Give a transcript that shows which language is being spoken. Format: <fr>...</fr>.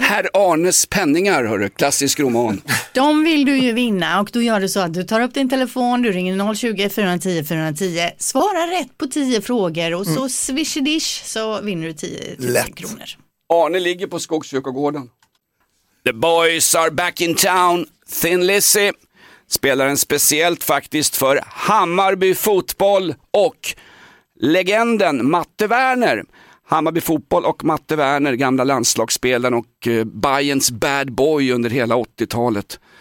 <sv>Herr Arnes penningar, hörru. Klassisk roman. De vill du ju vinna och då gör du så att du tar upp din telefon, du ringer 020 410 410. Svara rätt på 10 frågor och så swishidish så vinner du 10 000 Lätt. Kronor. Arne ligger på Skogskyrkogården.</sv> <en>The boys are back in town.</en> <sv>Thin Lizzy spelar en speciellt faktiskt för Hammarby fotboll och legenden Matte Werner. Hammarby fotboll och Matte Werner, gamla landslagsspelaren och Bayerns bad boy under hela 80-talet.</sv>